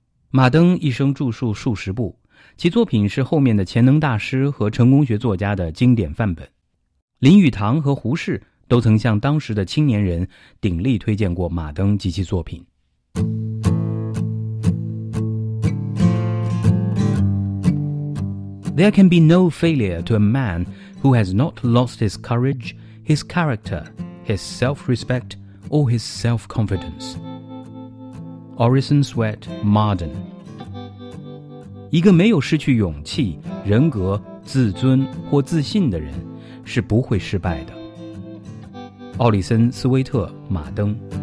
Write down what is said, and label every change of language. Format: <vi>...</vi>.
<zh>马登一生著述数十部，其作品是后面的潜能大师和成功学作家的经典范本。林语堂和胡适都曾向当时的青年人鼎力推荐过马登及其作品。</zh> <en>There can be no failure to a man who has not lost his courage, his character, his self-respect,or his self-confidence. Orison Swett Marden.</en> <zh>一个没有失去勇气、人格、自尊或自信的人是不会失败的。奥里森·斯威特·马登。</zh>